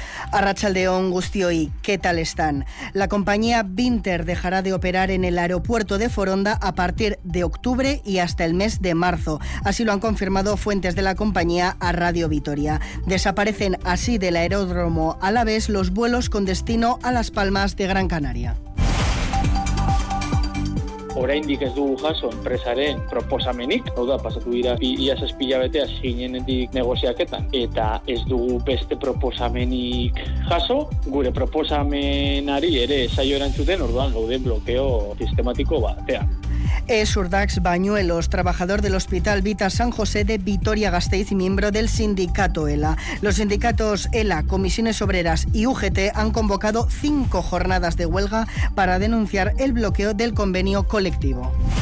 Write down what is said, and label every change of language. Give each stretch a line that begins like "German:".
Spanish: Arratsaldeon guztioi, ¿qué tal están? La compañía Vinter dejará de operar en el aeropuerto de Foronda a partir de octubre y hasta el mes de marzo. Así lo han confirmado fuentes de la compañía a Radio Vitoria. Desaparecen así del aeródromo alavés los vuelos con destino a Las Palmas de Gran Canaria.
Basque: Oraindik ez dugu jaso enpresaren proposamenik, hau da, pasatu dira ia zazpilabetea zinenetik negoziaketan, eta ez dugu beste proposamenik jaso, gure proposamenari ere saio erantzuten, orduan gauden blokeo sistematiko batean.
Spanish: Es Urdax Bañuelos, trabajador del Hospital Vita San José de Vitoria-Gasteiz y miembro del sindicato ELA. Los sindicatos ELA, Comisiones Obreras y UGT han convocado 5 jornadas de huelga para denunciar el bloqueo del convenio colectivo.